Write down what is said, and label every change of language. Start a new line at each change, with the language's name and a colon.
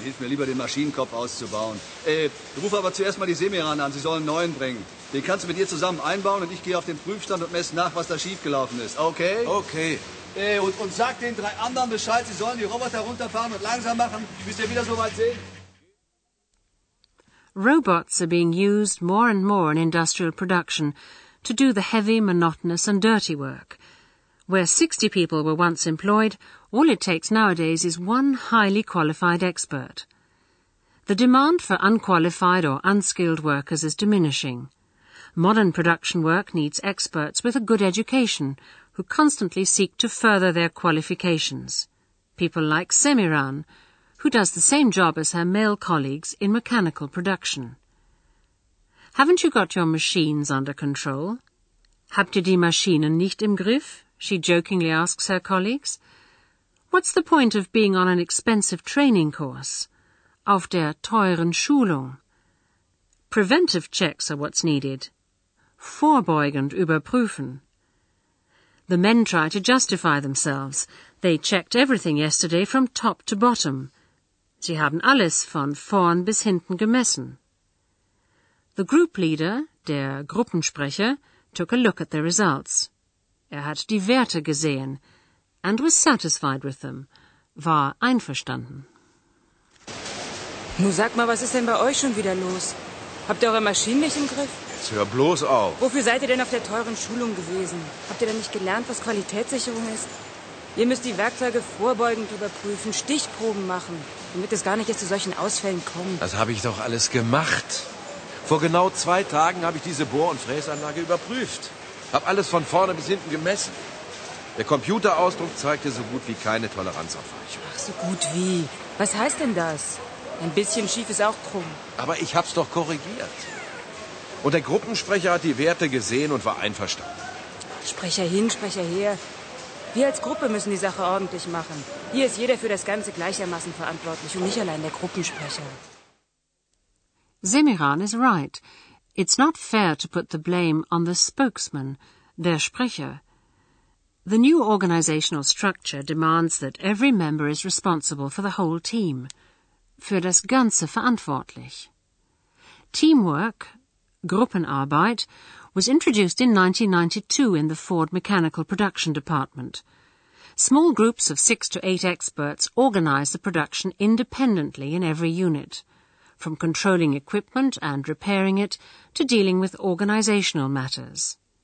German: Hilf mir lieber, den Maschinenkopf auszubauen. Ruf aber zuerst mal die Semiran an. Sie sollen einen neuen bringen. Den kannst du mit dir zusammen einbauen und ich gehe auf den Prüfstand und messe nach, was da schiefgelaufen ist. Okay? Okay. Und sag den 3 anderen Bescheid. Sie sollen die Roboter runterfahren und langsam machen. Ich müsste wieder so weit sehen.
English: Robots are being used more and more in industrial production to do the heavy, monotonous and dirty work. Where 60 people were once employed, all it takes nowadays is one highly qualified expert. The demand for unqualified or unskilled workers is diminishing. Modern production work needs experts with a good education who constantly seek to further their qualifications. People like Semiran, who does the same job as her male colleagues in mechanical production. Haven't you got your machines under control?
German: Habt ihr die Maschinen nicht im Griff?
English: She jokingly asks her colleagues. What's the point of being on an expensive training course?
German: Auf der teuren Schulung?
English: Preventive checks are what's needed.
German: Vorbeugend überprüfen.
English: The men try to justify themselves. They checked everything yesterday from top to bottom.
German: Sie haben alles von vorn bis hinten gemessen.
English: The group leader, der Gruppensprecher, took a look at the results.
German: Hat die Werte gesehen
English: and was satisfied with them,
German: war einverstanden. Nun sag mal, was ist denn bei euch schon wieder los? Habt ihr eure Maschinen nicht im Griff? Jetzt hör bloß auf. Wofür seid ihr denn auf der teuren Schulung gewesen? Habt ihr denn nicht gelernt, was Qualitätssicherung ist? Ihr müsst die Werkzeuge vorbeugend überprüfen, Stichproben machen, damit es gar nicht erst zu solchen Ausfällen kommt. Das habe ich doch alles gemacht. Vor genau 2 Tagen habe ich diese Bohr- und Fräsanlage überprüft. Hab alles von vorne bis hinten gemessen. Der Computerausdruck zeigte so gut wie keine Toleranzabweichung. Ach, so gut wie. Was heißt denn das? Ein bisschen schief ist auch krumm. Aber ich hab's doch korrigiert. Und der Gruppensprecher hat die Werte gesehen und war einverstanden. Sprecher hin, Sprecher her. Wir als Gruppe müssen die Sache ordentlich machen. Hier ist jeder für das Ganze gleichermaßen verantwortlich und nicht allein der Gruppensprecher.
English: Semiran is right. It's not fair to put the blame on the spokesman, der Sprecher. The new organizational structure demands that every member is responsible for the whole team.
German: Für das Ganze verantwortlich.
English: Teamwork, Gruppenarbeit, was introduced in 1992 in the Ford Mechanical Production Department. Small groups of 6 to 8 experts organize the production independently in every unit, from controlling equipment and repairing it to dealing with organizational matters.